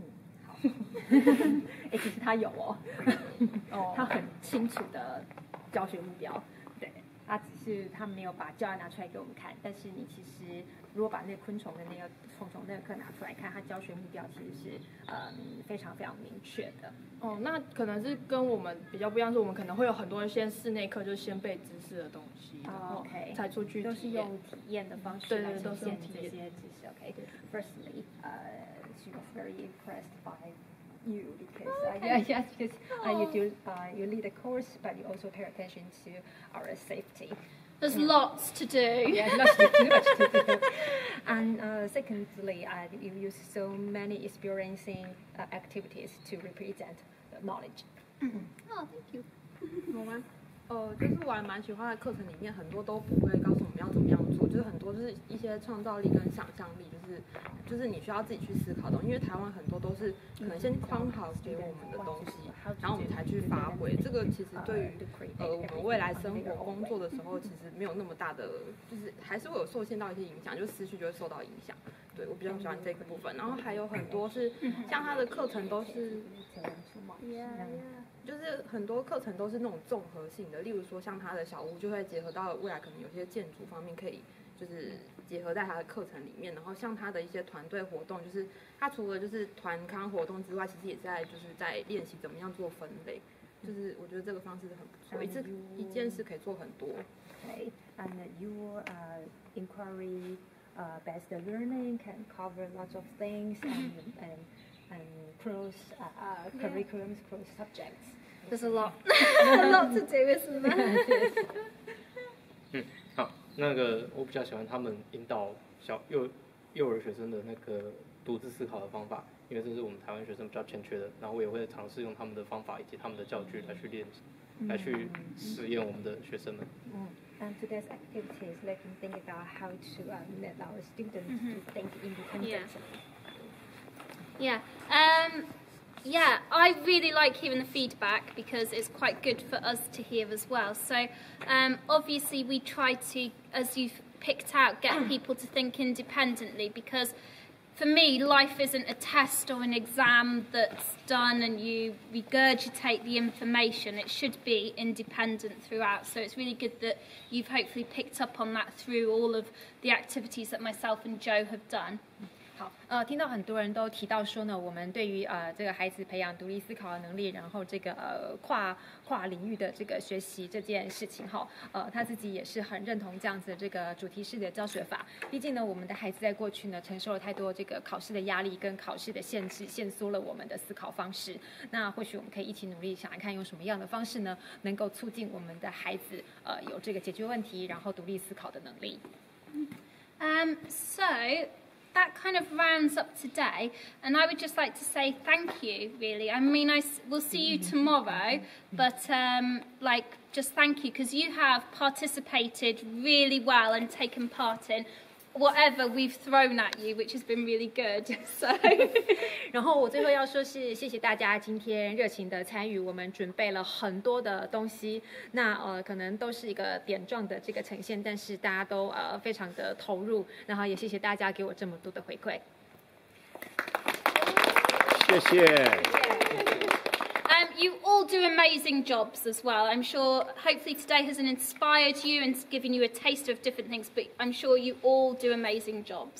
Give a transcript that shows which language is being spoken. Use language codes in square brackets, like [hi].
[zh] 欸，其实他有哦，他很清楚的教学目标，对，他只是他没有把教案拿出来给我们看，但是你其实如果把那个昆虫的那个虫虫那个课拿出来看，他教学目标其实是非常非常明确的。哦，那可能是跟我们比较不一样，是我们可能会有很多一些室内课就是先背知识的东西，然后才出去体验，都是用体验的方式来呈现这些知识。 OK，对， [en] firstly she was very impressed byYou, because you lead a course, but you also pay attention to our safety. There's lots to do. Yeah, lots to do, too much to do. And secondly, you use so many experiencing activities to represent the knowledge. Oh, thank you. [zh] 就是我还蛮喜欢的课程里面很多都不会告诉我们要怎么样做，就是很多就是一些创造力跟想象力，就是你需要自己去思考的，因为台湾很多都是可能先框好给我们的东西，然后我们才去发挥，这个其实对于我们未来生活工作的时候其实没有那么大的，就是还是会有受限到一些影响，就思绪就会受到影响。对，我比较喜欢这个部分。然后还有很多是像他的课程都是就是很多课程都是那种综合性的，例如说像他的小屋就会结合到未来可能有些建筑方面可以就是结合在他的课程里面，然后像他的一些团队活动，就是他除了就是团康活动之外，其实也在就是在练习怎么样做分类，就是我觉得这个方式很不错，一件事可以做很多。 [en] Okay, and your inquiry based learning can cover lots of things and cross curriculums, cross subjects. There's a lot, a lot to do, isn't it? [zh] 好，那个我比较喜欢他们引导小幼儿学生的那个独自思考的方法，因为这是我们台湾学生比较欠缺的。然后我也会尝试用他们的方法以及他们的教具来去练习，来去实验我们的学生们。 [en] And today's activities, let them think about how to let our students to think independently. Yeah, I really like hearing the feedback because it's quite good for us to hear as well. So obviously we try to, as you've picked out, get people to think independently, because for me life isn't a test or an exam that's done and you regurgitate the information. It should be independent throughout. So it's really good that you've hopefully picked up on that through all of the activities that myself and Joe have done. [zh] 好，听到很多人都提到说呢，我们对于这个孩子培养独立思考的能力，然后这个跨领域的这个学习这件事情哈，他自己也是很认同这样子的这个主题式的教学法。毕竟呢，我们的孩子在过去呢承受了太多这个考试的压力跟考试的限制，限缩了我们的思考方式。那或许我们可以一起努力，想一看用什么样的方式呢，能够促进我们的孩子有这个解决问题然后独立思考的能力。 [en] So that kind of rounds up today, and I would just like to say thank you, really. I mean, we'll see you tomorrow, but just thank you, because you have participated really well and taken part in whatever we've thrown at you, which has been really good. So, [zh] 然后我最后要说是谢谢大家今天热情的参与，我们准备了很多的东西，那可能都是一个点状的这个呈现，但是大家都非常的投入，然后也谢谢大家给我这么多的回馈。谢谢。 [en] You all do amazing jobs as well. I'm sure hopefully today has inspired you and given you a taste of different things, but I'm sure you all do amazing jobs.